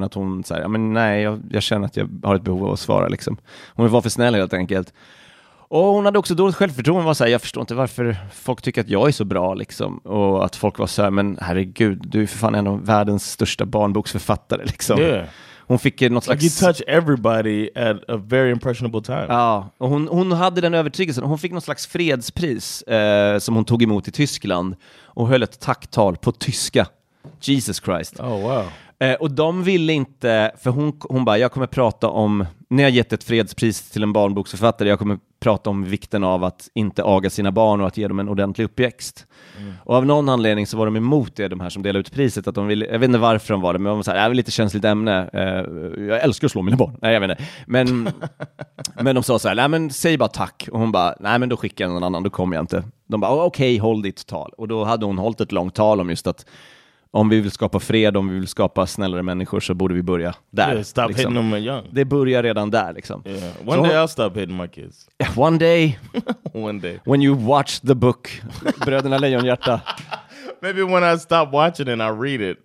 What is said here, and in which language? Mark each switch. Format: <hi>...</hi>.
<sv>Men att hon så här, men nej, jag känner att jag har ett behov av att svara. Liksom. Hon var för snäll helt enkelt. Och hon hade också dåligt självförtroende, var så här, jag förstår inte varför folk tycker att jag är så bra liksom. Och att folk var så här, men herregud, du är för fan en av världens största barnboksförfattare liksom.</sv> <en>Yeah.</en> <sv>Hon fick något slags...</sv> <en>You touch everybody at a very impressionable time.</en> <sv>Ja, och hon hade den övertygelsen. Hon fick något slags fredspris som hon tog emot i Tyskland och höll ett tacktal på tyska.</sv> <en>Jesus Christ. Oh wow.</en> <sv>Och de ville inte, för hon bara, jag kommer prata om, när jag gett ett fredspris till en barnboksförfattare, jag kommer prata om vikten av att inte aga sina barn och att ge dem en ordentlig uppväxt. Mm. Och av någon anledning så var de emot det, de här som delade ut priset, att de ville, jag vet inte varför de var det, men de var så här, det är väl lite känsligt ämne, jag älskar att slå mina barn, nej jag vet inte. Men, men de sa så här, nej men säg bara tack, och hon bara, nej men då skickar jag någon annan, då kommer jag inte. De bara, okej, håll ditt tal. Och då hade hon hållit ett långt tal om just att om vi vill skapa fred, om vi vill skapa snällare människor så borde vi börja där.</sv> <en>Yeah, stop liksom. Hitting them young.</en> <sv>Det börjar redan där liksom.</sv> <en>Yeah. One day I'll stop hitting my kids. One day. One day. When you watch the book, Bröderna Lejonhjärta. Maybe when I stop watching and I read it.</en>